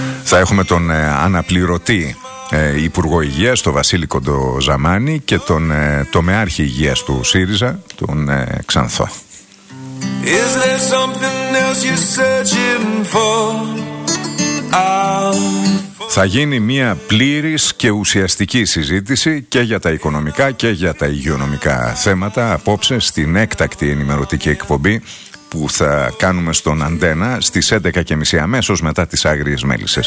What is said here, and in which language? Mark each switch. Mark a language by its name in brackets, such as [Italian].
[Greek] Θα έχουμε τον αναπληρωτή Υπουργό Υγείας, τον Βασίλη Κοντοζαμάνη, και τον τομεάρχη υγείας του ΣΥΡΙΖΑ, τον Ξανθό. [English] Is there something else you're searching for? [Greek] Θα γίνει μια πλήρης και ουσιαστική συζήτηση και για τα οικονομικά και για τα υγειονομικά θέματα απόψε στην έκτακτη ενημερωτική εκπομπή που θα κάνουμε στον Αντένα στις 11:30 αμέσως μετά τις Άγριες Μέλισσες.